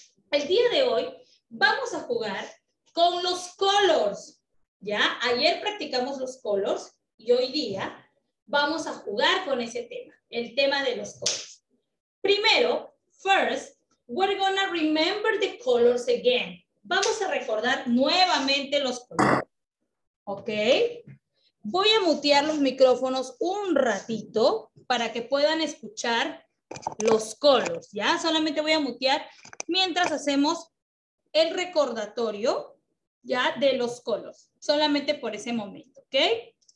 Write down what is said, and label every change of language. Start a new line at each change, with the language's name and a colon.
Spanish: El día de hoy vamos a jugar con los colors, ¿ya? Ayer practicamos los colors y hoy día vamos a jugar con ese tema, el tema de los colors. Primero,
English: first, we're gonna remember the colors again.
Spanish: Vamos a recordar nuevamente los colores, ¿ok? Voy a mutear los micrófonos un ratito para que puedan escuchar los colors, ¿ya? Solamente voy a mutear mientras hacemos el recordatorio, ¿ya? De los colors, solamente por ese momento, ¿ok?